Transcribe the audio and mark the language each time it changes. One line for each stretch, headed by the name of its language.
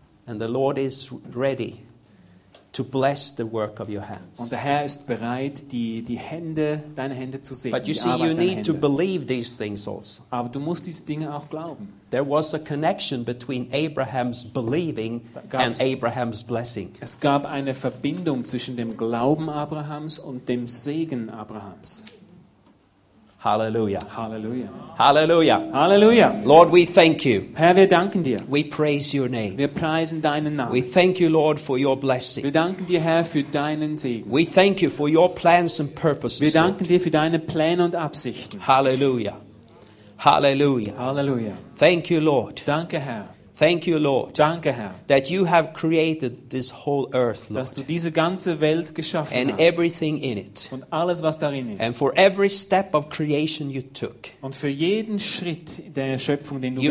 English: And the Lord is ready to bless the work of your hands.
German: Und der Herr ist bereit, die Hände, deine Hände zu segnen.
English: But you see, you need to believe these things also.
German: Aber du musst diese Dinge auch glauben.
English: There was a connection between Abraham's believing and Abraham's blessing.
German: Es gab eine Verbindung zwischen dem Glauben Abrahams und dem Segen Abrahams. Hallelujah. Hallelujah. Hallelujah. Hallelujah.
English: Lord, we thank you.
German: Herr, wir danken dir.
English: We praise your name.
German: Wir preisen deinen Namen.
English: We thank you, Lord, for your blessing.
German: Wir danken dir, Herr, für deinen Segen.
English: We thank you for your plans and purposes.
German: Wir danken dir für deine Pläne und Absichten. Hallelujah. Hallelujah. Hallelujah.
English: Thank you, Lord.
German: Danke, Herr.
English: Thank you, Lord.
German: Danke, Herr.
English: That you have created this whole earth, Lord.
German: Dass du diese ganze Welt geschaffen
English: and
German: hast.
English: And everything in it.
German: Und alles, was darin ist.
English: And for every step of creation you took.
German: Und für jeden Schritt der Schöpfung, den du